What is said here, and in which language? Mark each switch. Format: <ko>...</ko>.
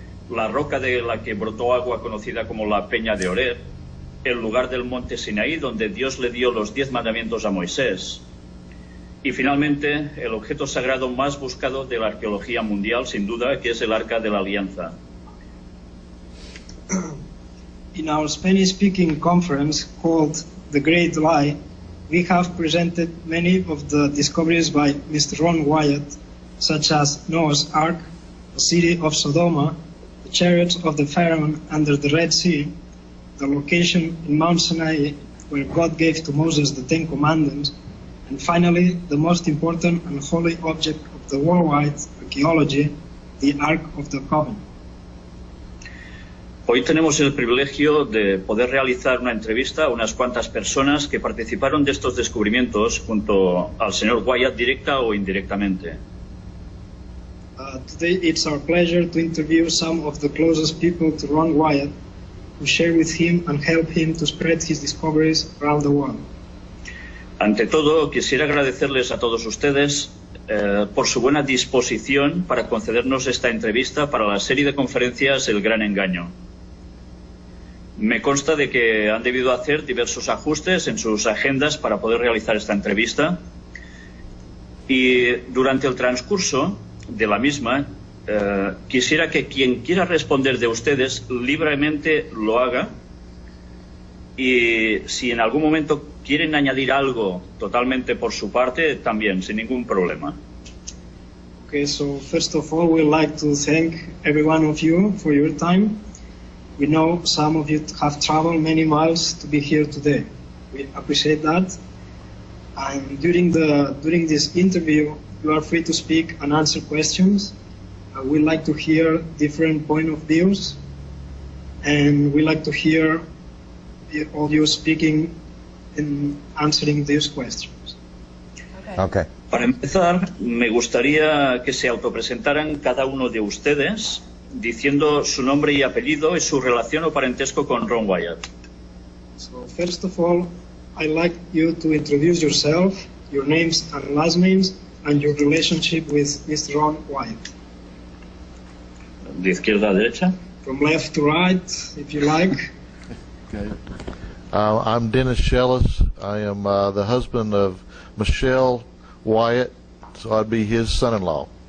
<es>la roca de la que brotó agua conocida como la Peña de Oreb, el lugar del monte Sinaí, donde Dios le dio los 10 mandamientos a Moisés, y finalmente, el objeto sagrado más buscado de la arqueología mundial, sin duda, que es el Arca de la Alianza.</es> <en>In our Spanish-speaking conference called The Great Lie, we have presented many of the discoveries by Mr. Ron Wyatt, such as Noah's Ark, the city of Sodoma, the chariots of the Pharaoh under the Red Sea, the location in Mount Sinai where God gave to Moses the Ten Commandments, and finally, the most important and holy object of the worldwide archaeology, the Ark of the Covenant.</en> <es>Hoy tenemos el privilegio de poder realizar una entrevista a unas cuantas personas que participaron de estos descubrimientos junto al señor Wyatt, directa o indirectamente.</es> <en>Today it's our pleasure to interview some of the closest people to Ron Wyatt, who share with him and help him to spread his discoveries around the world.</en> <es>Ante todo, quisiera agradecerles a todos ustedes por su buena disposición para concedernos esta entrevista para la serie de conferencias El Gran Engaño. Me consta de que han debido hacer diversos ajustes en sus agendas para poder realizar esta entrevista y durante el transcurso de la misma quisiera que quien quiera responder de ustedes libremente lo haga. Y si en algún momento quieren añadir algo totalmente por su parte, también, sin ningún problema.</es> <en>Okay, so first of all, we'd like to thank every one of you for your time. We know some of you have traveled many miles to be here today. We appreciate that. And during this interview, you are free to speak and answer questions. We'd like to hear different point of views, and we'd like to hear all you speaking and answering these questions. Okay.</en> <es>Para empezar, me gustaría que se autopresentaran cada uno de ustedes diciendo su nombre y apellido y su relación o parentesco con Ron Wyatt.</es> <en>So first of all, I'd like you to introduce yourself, your names and last names, and your relationship with Mr. Ron Wyatt.</en> <es>De izquierda a derecha.</es> <en>From left to right, if you like. Okay. I'm Dennis Shellis. I am the husband of Michelle Wyatt, so I'd be his son-in-law.</en>